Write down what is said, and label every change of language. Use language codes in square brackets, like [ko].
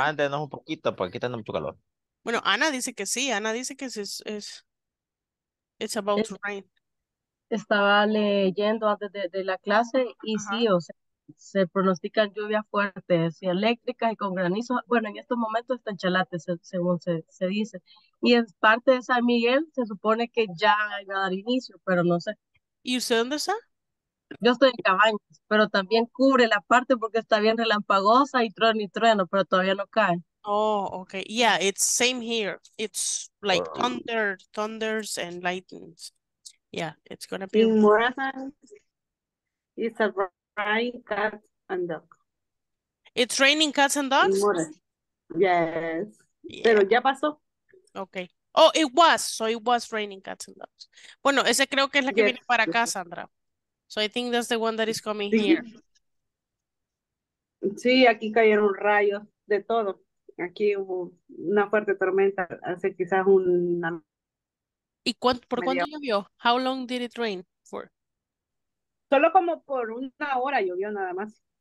[es] Mándenos un poquito porque aquí tenemos mucho calor. Bueno, Ana dice que sí. Ana dice que es [en] it's about to rain. [es] Estaba leyendo antes de la clase y sí, o sea, se pronostican lluvias fuertes y eléctricas y con granizo. Bueno, en estos momentos está en Chalate, según se dice. Y en parte de San Miguel se supone que ya va a dar inicio, pero no sé. ¿Y usted dónde está? Yo estoy en Cabañas, pero también cubre la parte porque está bien relampagosa y trueno y trueno, pero todavía no cae. [en] Oh, okay. Yeah, it's same here. It's like thunders and lightnings. Yeah, it's going to be... In Morazán, it's a rain cats and dogs. It's raining cats and dogs? Yes. Yeah. [es] Pero ya pasó. [en] Okay. Oh, it was. So it was raining cats and dogs. [es] Bueno, ese creo que es la que viene para acá, Sandra. [en] So I think that's the one that is coming here. [es] Sí, aquí cayeron rayos de todo. Aquí hubo una fuerte tormenta hace quizás una. ¿Y por cuánto llovió? [en] How long did it rain for? [es] Solo como por una hora llovió nada más.